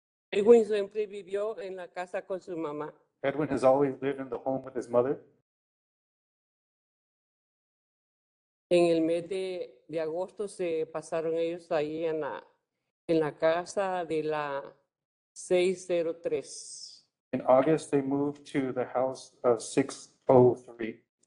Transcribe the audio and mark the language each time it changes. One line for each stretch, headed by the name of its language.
Spanish: Edwin siempre vivió en la casa con su mamá.
English: Edwin has always lived in the home with his mother.
Spanish: En el mes de agosto se pasaron ellos ahí en la casa de la 603.
English: In August, they moved to the house of 603.